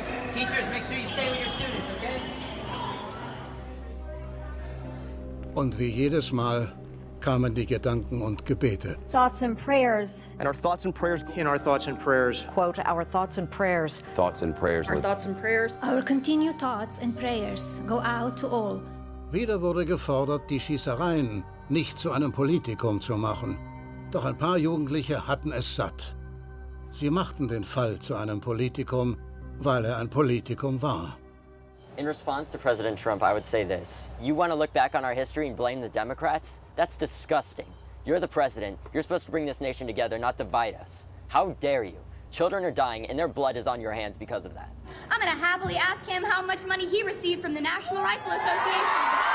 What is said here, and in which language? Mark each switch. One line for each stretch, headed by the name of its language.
English: Teachers, make sure you stay with your students, okay?
German: Und wie jedes Mal kamen die Gedanken und Gebete.
English: Thoughts and prayers. And our thoughts and prayers. In our thoughts and prayers. Quote, our thoughts and prayers. Thoughts and prayers. Our thoughts and prayers. Our continued thoughts and prayers go out to all.
German: Wieder wurde gefordert, die Schießereien nicht zu einem Politikum zu machen. Doch ein paar Jugendliche hatten es satt. Sie machten den Fall zu einem Politikum, weil er ein Politikum war.
English: In response to President Trump, I would say this. You want to look back on our history and blame the Democrats? That's disgusting. You're the president. You're supposed to bring this nation together, not divide us. How dare you? Children are dying, and their blood is on your hands because of that. I'm going to happily ask him how much money he received from the National Rifle Association.